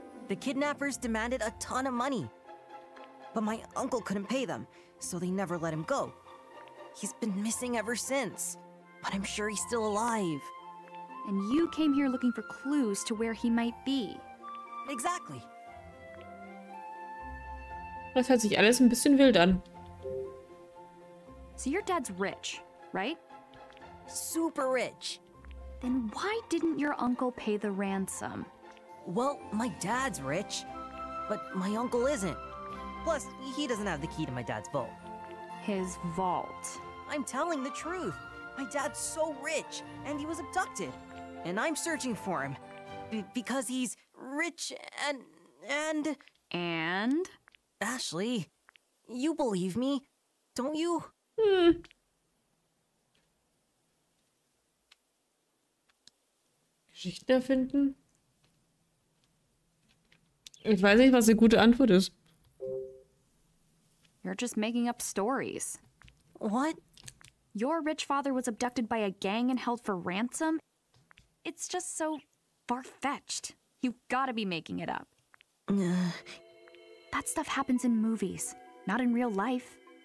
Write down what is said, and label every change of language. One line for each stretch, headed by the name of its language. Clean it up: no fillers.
English: The kidnappers demanded a ton of money. But my uncle couldn't pay them, so they never let him go. He's been missing ever since. But I'm sure he's still alive. And you came here looking for clues to where he might be. Exactly.
German: Das hört sich alles ein bisschen wild an.
English: So your dad's rich, right? Super rich. Then why didn't your uncle pay the ransom? Well, my dad's rich, but my uncle isn't. Plus, he doesn't have the key to my dad's vault. His vault. I'm telling the truth. My dad's so rich, and he was abducted. And I'm searching for him. Because he's rich and... And? Ashley, you believe me, don't you? Hmm.
German: Geschichten erfinden? Ich weiß nicht, was eine gute Antwort ist.
English: You're just making up stories. What? Your rich father was abducted by a gang and held for ransom? It's just so far-fetched. You've gotta be making it up. That stuff happens in movies, not in real life.